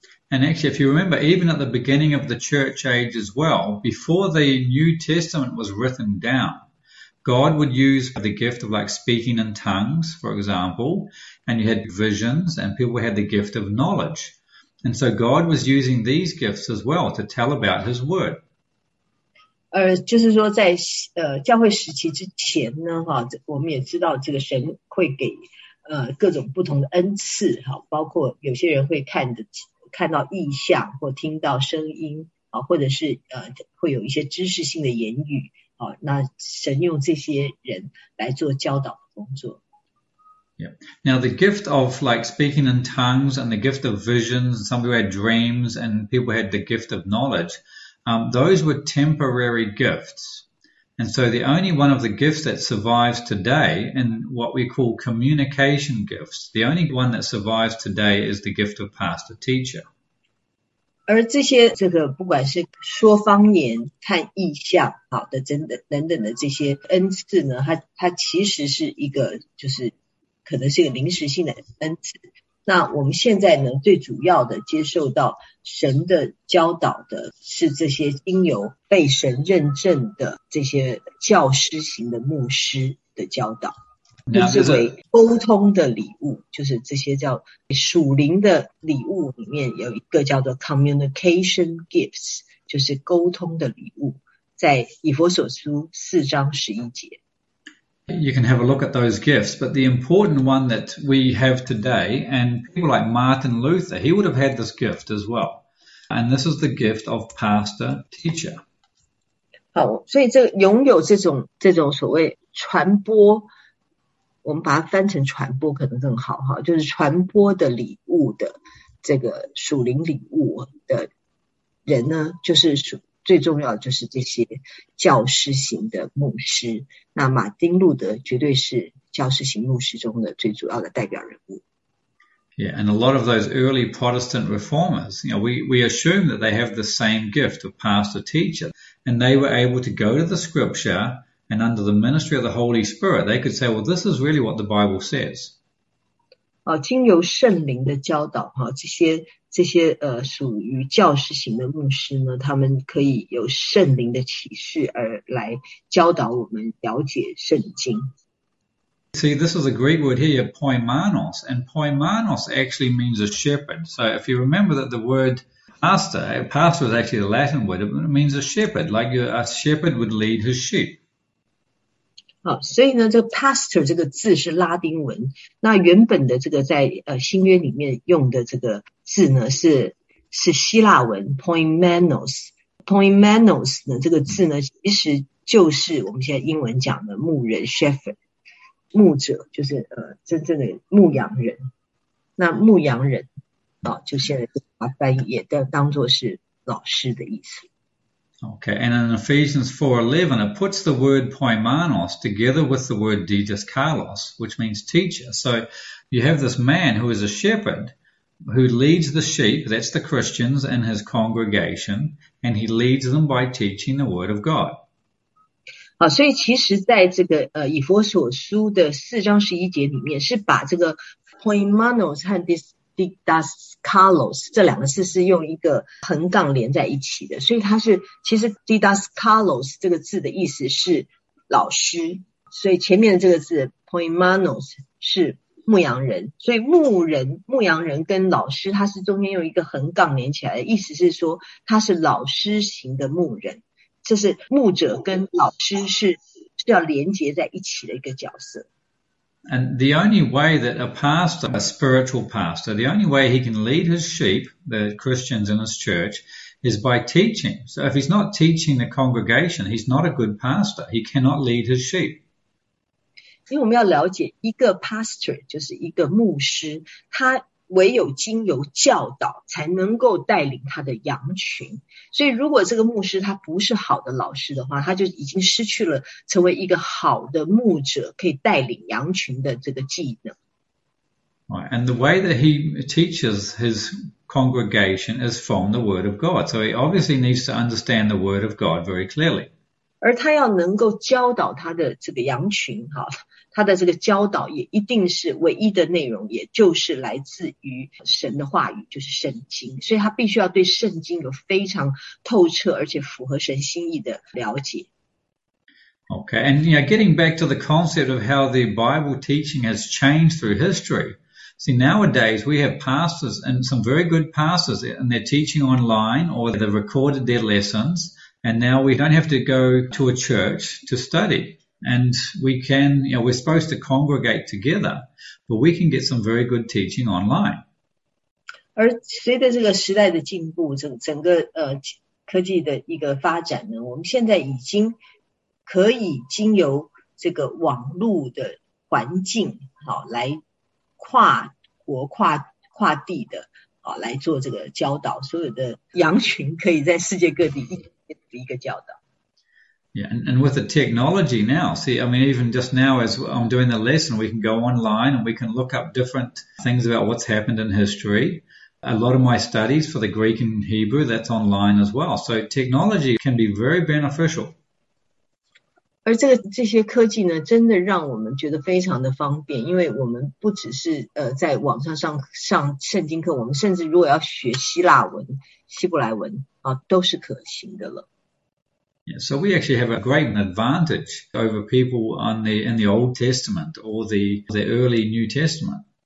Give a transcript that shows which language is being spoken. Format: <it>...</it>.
<en>And actually, if you remember, even at the beginning of the church age as well, before the New Testament was written down, God would use the gift of like speaking in tongues, for example, and you had visions and people had the gift of knowledge. And so God was using these gifts as well to tell about his word.</en> <zh>就是说在教会时期之前呢，我们也知道这个神会给各种不同的恩赐，包括有些人会看到异象或听到声音，或者是会有一些知识性的言语，那神用这些人来做教导的工作。</zh> <en>Yeah. Now the gift of like speaking in tongues and the gift of visions, and some people had dreams and people had the gift of knowledge, those were temporary gifts. And so the only one of the gifts that survives today in what we call communication gifts, the only one that survives today is the gift of pastor teacher.</en> <zh>而这个不管是说方言、看异象，等等的这些恩赐呢，它其实是一个，就是可能是一个临时性的恩赐。那我们现在呢，最主要的接受到神的教导的是这些经由被神认证的这些教师型的牧师的教导，被</zh> <en>Now,</en> <zh>视为沟通的礼物，就是这些叫属灵的礼物里面有一个叫做</zh> <en>communication gifts，</en> <zh>就是沟通的礼物，在以弗所书4章11节。</zh> <en>you can have a look at those gifts, but the important one that we have today, and people like Martin Luther, he would have had this gift as well. And this is the gift of pastor teacher.</en> <zh>好，所以这拥有这种所谓传播，我们把它翻成传播可能更好哈，就是传播的礼物的这个属灵礼物的人呢，就是最重要的就是这些教师型的牧师。那马丁路德绝对是教师型牧师中的最主要的代表人物。</zh> <en>Yeah, and a lot of those early Protestant reformers, we assume that they have the same gift of pastor teacher, and they were able to go to the scripture and under the ministry of the Holy Spirit, they could say, well, this is really what the Bible says.</en> <zh>经由圣灵的教导，这些属于教师型的牧师呢，他们可以有圣灵的启示而来教导我们了解圣经。</zh> <en>See, this is a Greek word here, poimanos, and poimanos actually means a shepherd. So if you remember that the word pastor is actually the Latin word, it means a shepherd, like a shepherd would lead his sheep.</en> <zh>所以呢，这个 pastor 这个字是拉丁文。那原本的这个在新约里面用的这个字呢，是希腊文 poimenos。 poimenos 呢，这个字呢，其实就是我们现在英文讲的牧人 shepherd，牧者就是真正的牧羊人。那牧羊人就现在把它翻译也当做是老师的意思。</zh> <en>Okay, and in Ephesians 4:11, it puts the word poimanos together with the word didaskalos, which means teacher. So you have this man who is a shepherd who leads the sheep, that's the Christians, and his congregation, and he leads them by teaching the word of God.</en> <zh>好，所以其实在这个以弗所书的四章十一节里面，是把这个 poimanos 和 didaskalos 这两个字是用一个横杠连在一起的。所以它是其实 didaskalos 这个字的意思是老师，所以前面这个字 poimanos 是牧羊人，所以牧羊人跟老师，它是中间用一个横杠连起来的，意思是说他是老师型的牧人。这是牧者跟老师是要连接在一起的一个角色。</zh> <en>And the only way that a pastor, a spiritual pastor, the only way he can lead his sheep, the Christians in his church, is by teaching. So if he's not teaching the congregation, he's not a good pastor. He cannot lead his sheep.</en> <zh>因为我们要了解一个 pastor 就是一个牧师，他唯有经由教导才能够带领他的羊群，所以如果这个牧师他不是好的老师的话，他就已经失去了成为一个好的牧者可以带领羊群的这个技能。</zh> <en>Right, and the way that he teaches his congregation is from the word of God, so he obviously needs to understand the word of God very clearly.</en> <zh>而他要能够教导他的这个羊群哈，他的这个教导也一定是唯一的内容，也就是来自于神的话语，就是圣经。所以他必须要对圣经有非常透彻而且符合神心意的了解。</zh> <en>Okay, and you know, getting back to the concept of how the Bible teaching has changed through history. See, nowadays we have pastors and some very good pastors and they're teaching online or they've recorded their lessons and now we don't have to go to a church to study. And we can, you know, we're supposed to congregate together, but we can get some very good teaching online.</en> <zh>而随着这个时代的进步，整个科技的一个发展呢，我们现在已经可以经由这个网络的环境，好，来跨国跨地的，好，来做这个教导，所有的羊群可以在世界各地一个教导。</zh> <en>Yeah, and with the technology now, see, I mean, even just now as I'm doing the lesson, we can go online and we can look up different things about what's happened in history. A lot of my studies for the Greek and Hebrew, that's online as well. So technology can be very beneficial.</en> <zh>而这些科技呢，真的让我们觉得非常的方便，因为我们不只是在网上上圣经课，我们甚至如果要学希腊文、希伯来文啊，都是可行的了。</zh> <en>Yeah, so we actually have a great advantage over people in the Old Testament or the early New Testament.</en>